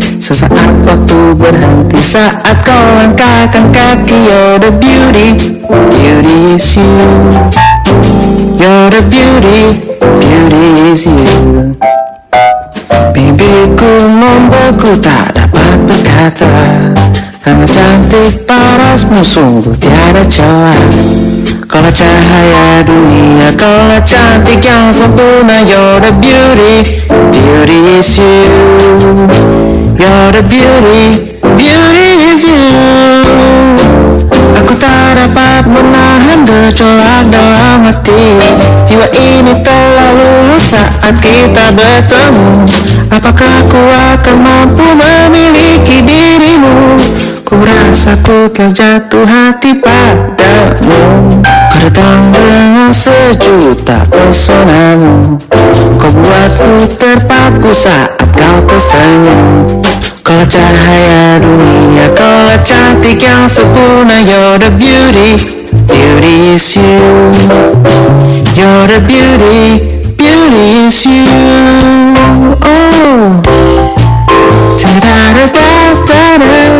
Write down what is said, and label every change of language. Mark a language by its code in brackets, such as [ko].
[id] Sesaat waktu berhenti saat kau langkahkan kaki. [en] You're the beauty, beauty is you. You're the beauty, beauty is you. [id] Bibirku membeku tak dapat berkata, karena cantik parasmu sungguh tiada celah. Kau lah cahaya dunia, kau lah cantik yang sempurna. [en] You're the beauty, beauty is you. You're the beauty, beauty is you. [id] Aku tak dapat menahan gejolak dalam hati, jiwa ini telah luluh saat kita bertemu. Apakah ku akan mampu memiliki dirimu? Ku rasa ku telah jatuh hati padamu. Kau datang dengan sejuta pesonamu, kau buatku terpaku saat kau tersenyum. Kau lah cahaya dunia, kau lah cantik yang sempurna. [en] You're the beauty, beauty is you. You're the beauty, beauty is you. Oh, ta-da-da-da-da.